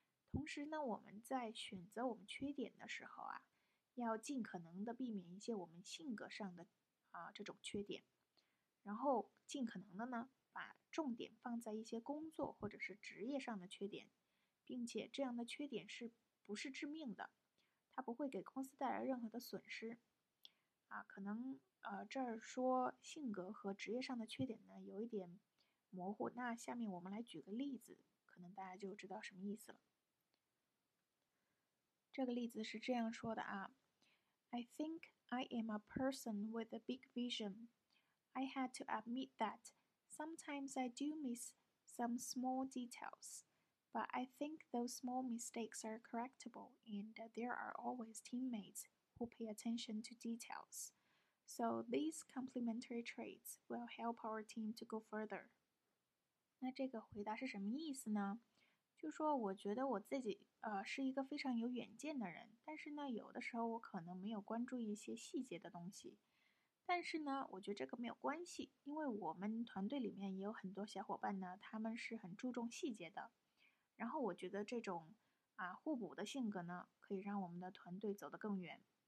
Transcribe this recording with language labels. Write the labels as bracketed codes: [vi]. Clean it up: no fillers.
[zh] 同时呢，我们在选择我们缺点的时候啊，要尽可能的避免一些我们性格上的这种缺点，然后尽可能的呢把重点放在一些工作或者是职业上的缺点，并且这样的缺点是不是致命的，它不会给公司带来任何的损失啊。可能这儿说性格和职业上的缺点呢有一点模糊，那下面我们来举个例子，可能大家就知道什么意思了。这个例子是这样说的啊， [en] I think I am a person with a big vision. I had to admit that sometimes I do miss some small details, but I think those small mistakes are correctable and there are always teammates who pay attention to details. So these complementary traits will help our team to go further. [zh] 那这个回答是什么意思呢？就说我觉得我自己是一个非常有远见的人，但是呢有的时候我可能没有关注一些细节的东西，但是呢我觉得这个没有关系，因为我们团队里面也有很多小伙伴呢，他们是很注重细节的，然后我觉得这种互补的性格呢可以让我们的团队走得更远。